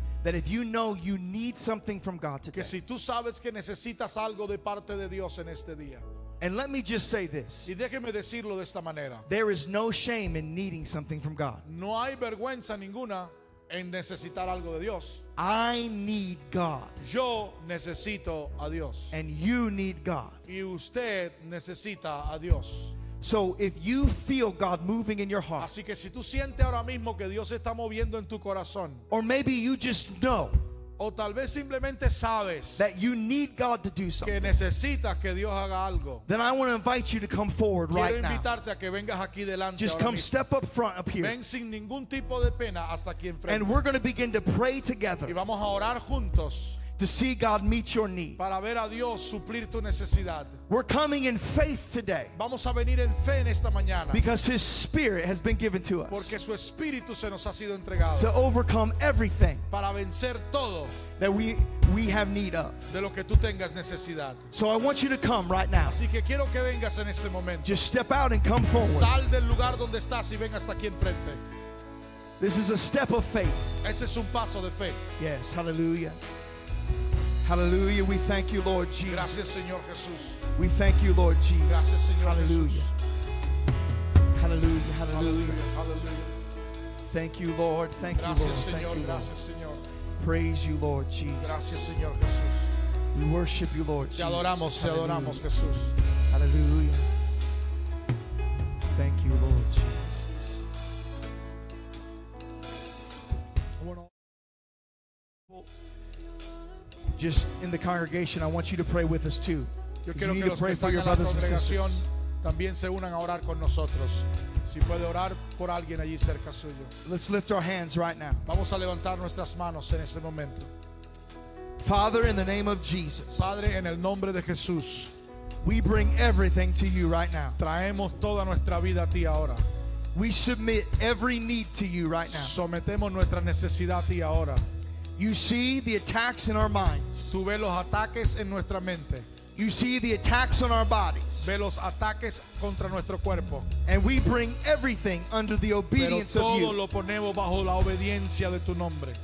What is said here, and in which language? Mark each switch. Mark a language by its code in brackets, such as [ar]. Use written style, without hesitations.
[en] That if you know you need something from God today. [es] Que si tú sabes que necesitas algo de parte de Dios en este día. [en] And let me just say this. [es] Y déjeme decirlo de esta manera. [en] There is no shame in needing something from God. [es] No hay vergüenza ninguna en necesitar algo de Dios. [en] I need God. [es] Yo necesito a Dios. [en] And you need God. [es] Y usted necesita a Dios. [en] So if you feel God moving in your heart. [es] Así que si tú sientes ahora mismo que Dios está moviendo en tu corazón. [en] Or maybe you just know. [es] O tal vez simplemente sabes [en] that you need God to do something. [es] Que necesitas que Dios haga algo. [en] Then I want to invite you to come forward [es] Quiero [en] right now. [es] Quiero invitarte a que vengas aquí delante. [en] Just come step up front up here. [es] Ven sin ningún tipo de pena hasta aquí enfrente. [en] And we're going to begin to pray together. [es] Y vamos a orar juntos. [en] To see God meet your need. [es] Para ver a Dios suplir tu necesidad. [en] We're coming in faith today. [es] Vamos a venir en fe en esta mañana. [en] Because his spirit has been given to us. [es] Porque su espíritu se nos ha sido entregado. [en] To overcome everything. [es] Para vencer todo. [en] That we have need of. [es] De lo que tú tengas necesidad. [en] So I want you to come right now. [es] Así que quiero que vengas en este momento. [en] Just step out and come forward. [es] Sal del lugar donde estás y ven hasta aquí enfrente. [en] This is a step of faith. [es] Ese es un paso de fe. [en] Yes, hallelujah. Hallelujah, we thank you, Lord Jesus. [es] Gracias, Señor Jesús. [en] We thank you, Lord Jesus. [es] Gracias, Señor [en] hallelujah. [es] Jesús. [en] Hallelujah, hallelujah. Hallelujah, hallelujah. Thank you, Lord. Thank [es] gracias, [en] you, Lord. [es] Señor. [en] Thank you, [es] gracias, [en] Lord. [es] Señor. [en] Praise you, Lord Jesus. [es] Gracias, Señor Jesús. [en] We worship you, Lord Jesus. [es] Te adoramos, hallelujah. Te adoramos, Jesús. [en] Hallelujah. Thank you, Lord Jesus. Just in the congregation, I want you to pray with us too. [es] Yo quiero que los que están en la congregación también se unan a orar con nosotros. Si puede orar por alguien allí cerca suyo. [en] Let's lift our hands right now. [es] Vamos a levantar nuestras manos en este momento. [en] Father, in the name of Jesus. [es] Padre, en el nombre de Jesús. [en] We bring everything to you right now. [es] Traemos toda nuestra vida a ti ahora. [en] We submit every need to you right now. [es] Sometemos nuestra necesidad a ti ahora. [en] You see the attacks in our minds. [es] Tú ves los ataques en nuestra mente. [en] You see the attacks on our bodies. [es] Ve los ataques contra nuestro cuerpo. [en] And we bring everything under the obedience of you. [es] Pero todo lo ponemos bajo la obediencia de tu nombre.